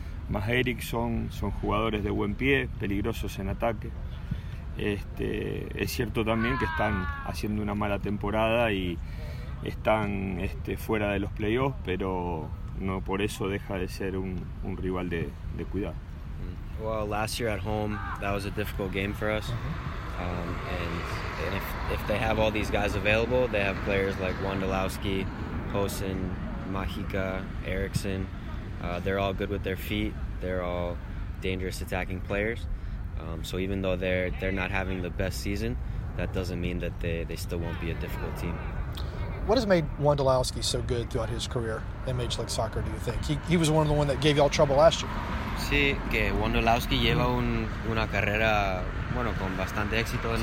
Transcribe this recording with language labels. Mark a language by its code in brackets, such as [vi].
[es] Más Eriksson, son jugadores de buen pie, peligrosos en ataque. Este, es cierto también que están haciendo una mala temporada y están fuera de los playoffs, pero no por eso deja de ser un rival de cuidado. [en] Well, last year at home, that was a difficult game for us. And if they have all these guys available, they have players like Wondolowski, Hosen, Mágica, Eriksson. They're all good with their feet. They're all dangerous attacking players. So even though they're not having the best season, that doesn't mean that they still won't be a difficult team. What has made Wondolowski so good throughout his career in Major League Soccer, do you think? He was one of the ones that gave y'all trouble last year. [es] Sí, que Wondolowski lleva una carrera, bueno, con bastante éxito en